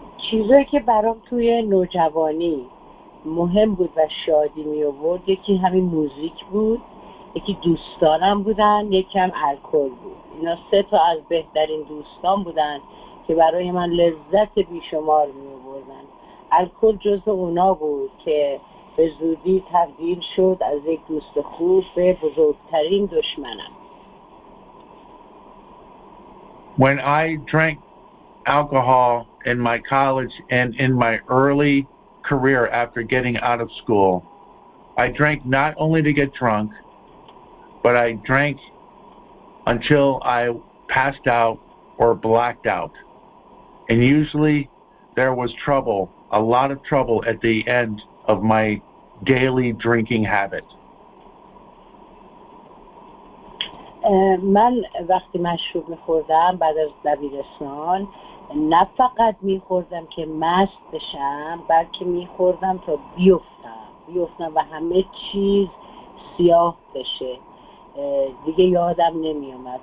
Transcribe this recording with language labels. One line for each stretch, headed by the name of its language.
Persian: چیزی که برام توی نوجوانی مهم بود و شادی می آورد یکی همین موزیک بود، یکی دوستانم بودن، یکم الکل بود. اینا سه تا از بهترین دوستان بودن که برای من لذت بیشمار می آوردن. الکل جز اونا بود که به زودی تبدیل شد از یک دوست خوب به بزرگترین دشمنم.
English: When I drank alcohol in my college and in my early career after getting out of school, I drank not only to get drunk, but I drank until I passed out or blacked out. And usually there was trouble, a lot of trouble at the end of my daily drinking habit.
Persian: من وقتی مشروب می‌خوردم بعد از دبیرستان نه فقط می‌خوردم که مست بشم، بلکه می‌خوردم تا بیفتم و همه چیز سیاه بشه، دیگه یادم نمیومد.